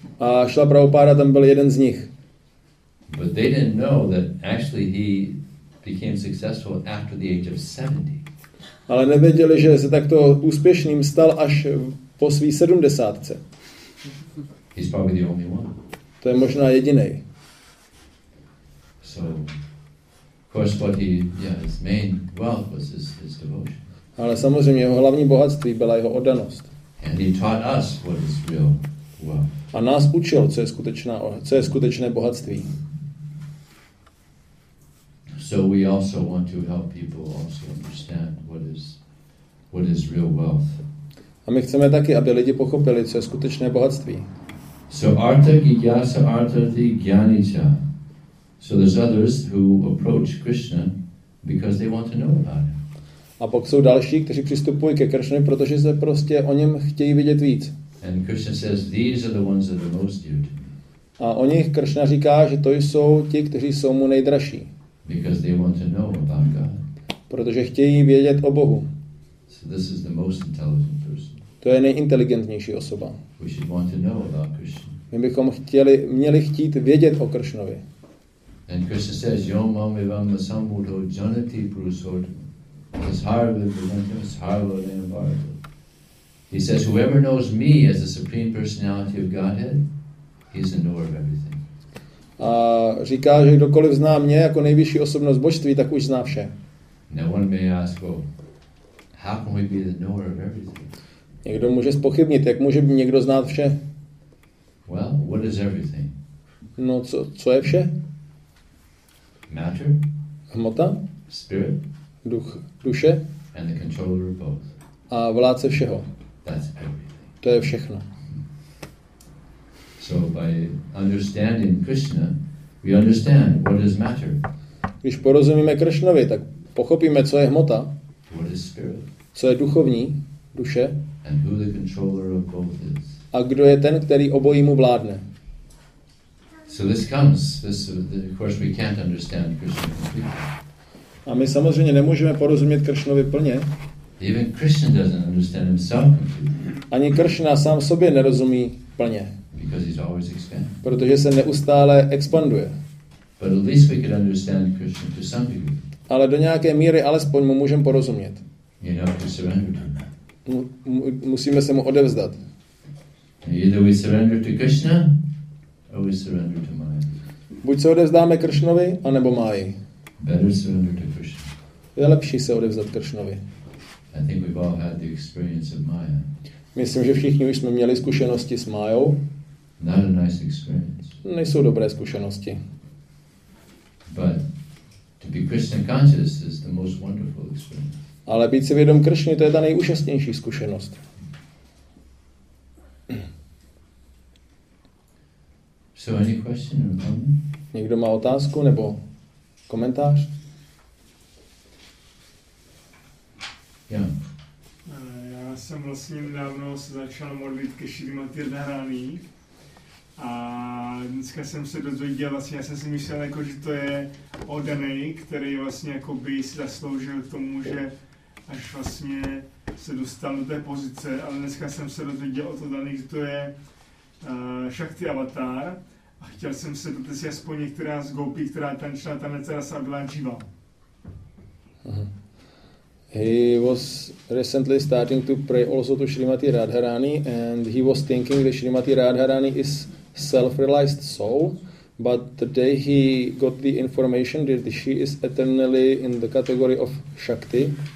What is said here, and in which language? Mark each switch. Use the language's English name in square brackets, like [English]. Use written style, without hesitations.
[Czech] A Šrila Prabhupada tam byl jeden z nich. [English] But they didn't know that actually he became successful after the age of 70. [Czech] Ale nevěděli, že se takto úspěšným stal až po své 70. [English] He's probably the only one. [Czech] To je možná jedinej. [English] So, of course, what he, yeah, his main wealth was his devotion. [Czech] Ale samozřejmě jeho hlavní bohatství byla jeho oddanost. [English] And he taught us what is real wealth. [Czech] A nás učil, co je skutečné bohatství. [English] So we also want to help people also understand what is real wealth. [Czech] A my chceme taky, aby lidi pochopili, co je skutečné bohatství. [Sanskrit] So artha jigyasa artha the gyani cha. [English] So there's others who approach Krishna because they want to know about him. [Czech] A pak jsou další, kteří přistupují ke Krishnovi, protože se prostě o něm chtějí vidět víc. [English] And Krishna says these are the ones that are most dear to me. [Czech] A o nich Krishna říká, že to jsou ti, kteří jsou mu nejdražší. [English] Because they want to know about God. [Czech] Protože chtějí vědět o Bohu. [English] So this is the most intelligent person. [Czech] To je nejinteligentnější osoba. [English] We should want to know about Krishna. [Czech] My bychom měli chtít vědět o Krishnovi. [English] And Krishna says, [Sanskrit] "Yom mam evam samudho janati purusottam sarvabhumatam sarvodayam bharata." [English] He says, "Whoever knows me as the supreme personality of Godhead, he is in awe of everything." [Czech] A říká, že kdokoliv zná mě jako nejvyšší osobnost božství, tak už zná vše. [English] No one may ask, well, how can we be the knower of everything? [Czech] Někdo může zpochybnit, jak může by někdo znát vše? [English] Well, what is everything? [Czech] No, co je vše? [English] Matter? [Czech] Hmota? [English] Spirit? [Czech] Duch, duše? [English] And the controller of both. [Czech] A vládce všeho. [English] That's everything. [Czech] To je všechno. [English] So by understanding Krishna, we understand what is matter. [Czech] Když porozumíme Krishnovi, tak pochopíme, co je hmota. [English] What is spirit? [Czech] Co je duchovní, duše? [English] And who the controller of both is. [Czech] A kdo je ten, který obojí mu vládne? [English] So this comes. Of course, we can't understand Krishna completely. [Czech] A my samozřejmě nemůžeme porozumět Krishnovi plně. [English] Even Krishna doesn't understand himself completely. [Czech] Ani Krishna sám sobě nerozumí plně. [English] Because he's always expanding. [Czech] Protože se neustále expanduje. [English] But at least we could understand Krishna to some degree. [Czech] Ale do nějaké míry alespoň mu můžeme porozumět. [English] You know, to surrender to him. [Czech] Musíme se mu odevzdat. [English] Either we surrender to Krishna, or we surrender to Maya. [Czech] Buď se odevzdáme Krishnovi, anebo Maji. [English] Better surrender to Krishna. [Czech] Je lepší se odevzdat Krishnovi. [English] I think we've all had the experience of Maya. [Czech] Myslím, že všichni už jsme měli zkušenosti s Majou. [English] Not a nice experience. [Czech] Nejsou dobré zkušenosti. [English] But to be Krishna conscious is the most wonderful experience. [Czech] Ale být si vědom Kršny, to je ta nejúžasnější zkušenost. [English] So any question or comment? [Czech] Někdo má otázku nebo komentář? Já jsem vlastně nedávno se začal modlit ke Šrimati Radharani a dneska jsem se dozvěděl, vlastně já jsem si myslel, jako, že to je oddaný, který vlastně jako by si zasloužil tomu, že až vlastně se dostal do té pozice, ale dneska jsem se dozvěděl o to daný, že to je Shakti avatar a chtěl jsem se dotaz aspoň některá z Gopi, která tančila tanec Rasa Blanchiva. [English] He was recently starting to pray also to Srimati Radharani and he was thinking that Srimati Radharani is self-realized soul. But today he got the information that she is eternally in the category of Shakti.